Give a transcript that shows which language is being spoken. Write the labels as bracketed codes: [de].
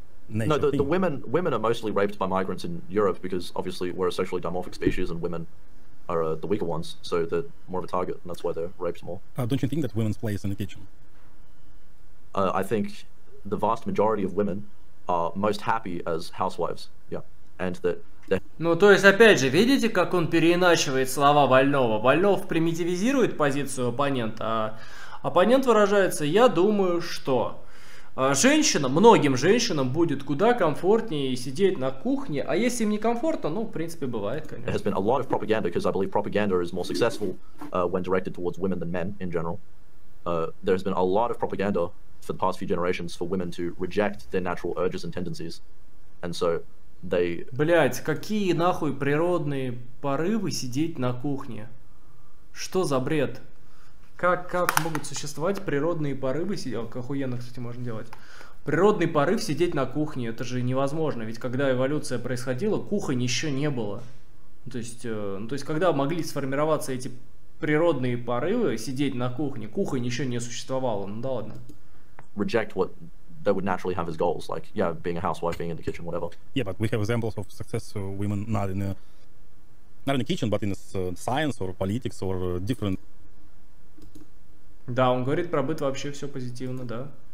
[en] no, the women are mostly raped by migrants in Europe because obviously we're a sexually dimorphic species and women are the weaker ones, so they're more of a target, and that's why they're raped more. Don't you think that women's place in the kitchen? I think the vast majority of women are most happy as housewives, yeah, and that. [ru] Ну, то есть, опять же, видите, как он переиначивает слова больного? Больнов примитивизирует позицию оппонента, Оппонент выражается: я думаю, что женщинам, многим женщинам будет куда комфортнее сидеть на кухне, а если им некомфортно, ну, в принципе, бывает, конечно. [en] There has been a lot of propaganda, because I believe propaganda is more successful when directed towards women than men in general. There has been a lot of propaganda for the past few generations for women to reject their natural urges and tendencies. And so they... [ru] Блять, какие нахуй природные порывы сидеть на кухне? Что за бред? Как могут существовать природные порывы сидеть? Как охуенно, кстати, можно делать. Природный порыв сидеть на кухне, это же невозможно. Ведь когда эволюция происходила, кухонь еще не было. То есть, когда могли сформироваться эти природные порывы сидеть на кухне, кухонь еще не существовало. Ну да ладно. [en] Reject what they would naturally have as goals, like, yeah, being a housewife, being in the kitchen, whatever. Yeah, but we have examples of successful women not in the kitchen, but in science or politics or different. [ru] Да, он говорит про быт вообще все позитивно, да.